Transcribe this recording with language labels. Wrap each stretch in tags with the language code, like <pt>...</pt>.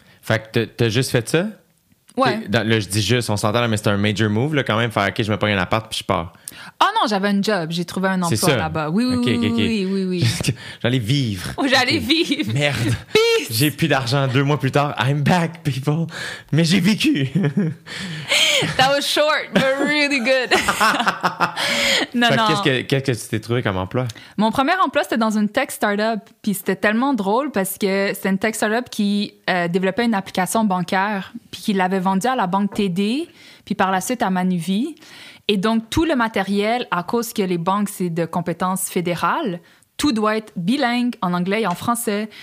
<fr>Fait que t'as juste fait ça? Ouais. Là, je dis juste, on s'entend, là, mais c'est un</fr> <en>major move,</en> <fr>là, quand même, faire « OK, je me prends un appart, puis je pars. » Ah oh non, j'avais un job. J'ai trouvé un emploi là-bas. Oui, oui, okay. J'allais vivre. Oh, j'allais vivre. Merde.</fr> <en>Peace.</en> <fr>J'ai plus d'argent 2 mois plus tard.</fr> <en>I'm back, people.</en> <fr>Mais j'ai vécu.</fr> <en>That was short, but really good.</en> <fr>Qu'est-ce que tu t'es trouvé comme emploi? Mon premier emploi, c'était dans une tech startup. Puis c'était tellement drôle parce que c'était une tech startup qui développait une application bancaire puis qui l'avait vendue à la banque TD puis par la suite à Manuvie. Et donc, tout le matériel, à cause que les banques, c'est de compétences fédérales, tout doit être bilingue en anglais et en français.</fr>